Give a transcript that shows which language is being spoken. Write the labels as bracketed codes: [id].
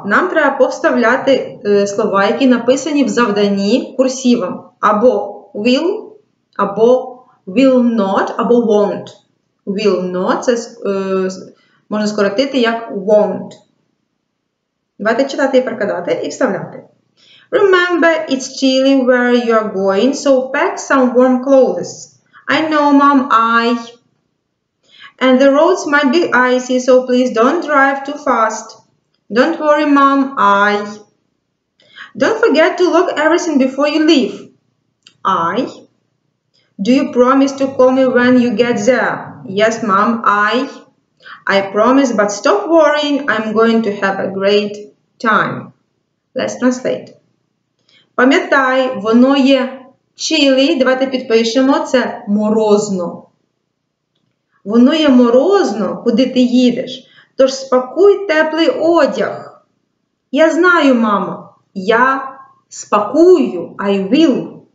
[uk] Нам треба повставляти слова, які написані в завданні курсивом. Або will, або will not, або won't. Will not – це можна скоротити як won't. Давайте читати і перекладати і вставляти. [en] Remember, it's chilly where you are going, so pack some warm clothes. I know, mom, And the roads might be icy, so please don't drive too fast. Don't worry, mom, Don't forget to lock everything before you leave. Do you promise to call me when you get there? Yes, mom, I promise, but stop worrying, I'm going to have a great time. Let's translate. [uk] Пам'ятай, воно є chilly, давайте підпишемо, це морозно. Воно є морозно, куди ти їдеш, тож спакуй теплий одяг. Я знаю, мамо, я спакую, [en] I will.